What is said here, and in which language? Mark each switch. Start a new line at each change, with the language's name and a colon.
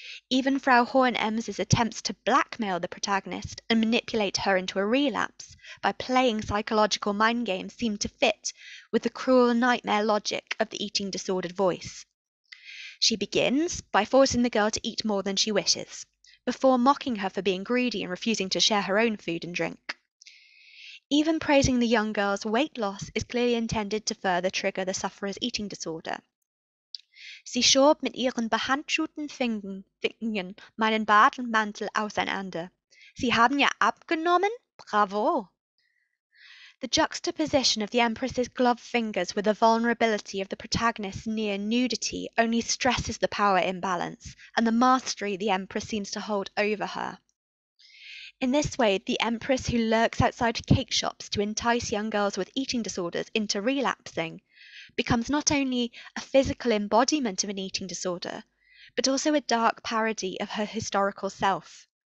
English: Even Frau Hohenems' attempts to blackmail the protagonist and manipulate her into a relapse by playing psychological mind games seem to fit with the cruel nightmare logic of the eating-disordered voice. She begins by forcing the girl to eat more than she wishes, before mocking her for being greedy and refusing to share her own food and drink. Even praising the young girl's weight loss is clearly intended to further trigger the sufferer's eating disorder.
German: Sie schob mit ihren behandschuhten Fingern meinen Bademantel auseinander. Sie haben ja abgenommen? Bravo!
English: The juxtaposition of the Empress's gloved fingers with the vulnerability of the protagonist's near nudity only stresses the power imbalance and the mastery the Empress seems to hold over her. In this way, the Empress, who lurks outside cake shops to entice young girls with eating disorders into relapsing, becomes not only a physical embodiment of an eating disorder, but also a dark parody of her historical self.